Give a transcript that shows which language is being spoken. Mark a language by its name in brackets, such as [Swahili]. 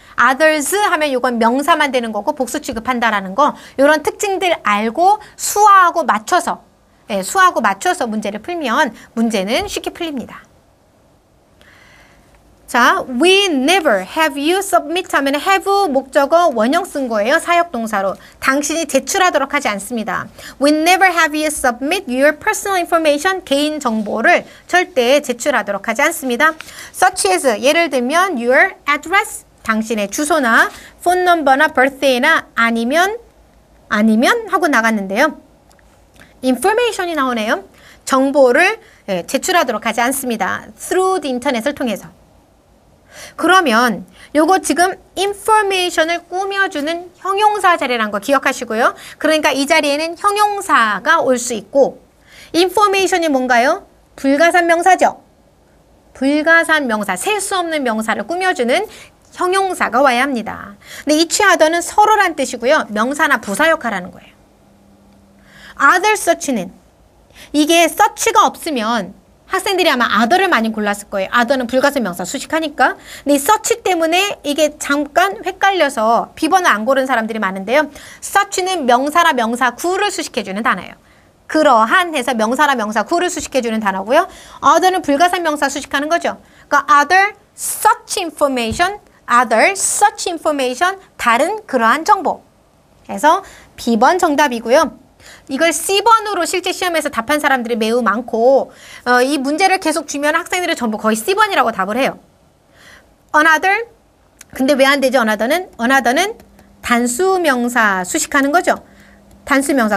[Korean] others 하면 이건 명사만 되는 거고 복수 취급한다라는 거 이런 특징들 알고 수화하고 맞춰서 예, 수화하고 맞춰서 문제를 풀면 문제는 쉽게 풀립니다. 자, [English] we never have you submit [Korean] 하면 have 목적어 원형 쓴 거예요. 사역 동사로. 당신이 제출하도록 하지 않습니다. [English] We never have you submit your personal information, [Korean] 개인 정보를 절대 제출하도록 하지 않습니다. [English] Such as, [Korean] 예를 들면 [English] your address, [Korean] 당신의 주소나 폰 넘버나 birthday나 아니면 하고 나갔는데요. information이 나오네요. 정보를 제출하도록 하지 않습니다. [English] through the internet [Korean] 을 통해서. 그러면 요거 지금 information을 꾸며주는 형용사 자리란 거 기억하시고요. 그러니까 이 자리에는 형용사가 올 수 있고 information이 뭔가요? 불가산 명사죠. 불가산 명사, 셀 수 없는 명사를 꾸며주는 형용사가 와야 합니다. 근데 each other는 서로란 뜻이고요. 명사나 부사 역할하는 거예요. other such는 이게 such가 없으면 학생들이 아마 other를 많이 골랐을 거예요. other는 불가산 명사 수식하니까. 근데 이 such 때문에 이게 잠깐 헷갈려서 비번을 안 고른 사람들이 많은데요. such는 명사라 명사 구를 수식해주는 단어예요. 그러한 해서 명사라 명사 구를 수식해주는 단어고요. other는 불가산 명사 수식하는 거죠. 그러니까 [English] other such information, other such information, [Korean] 다른 그러한 정보. 그래서 비번 정답이고요. 이걸 C번으로 실제 시험에서 답한 사람들이 매우 많고 이 문제를 계속 주면 학생들이 전부 거의 C번이라고 답을 해요. Another, 근데 왜 안 되죠? Another는? Another는 단수명사 수식하는 거죠. 단수명사.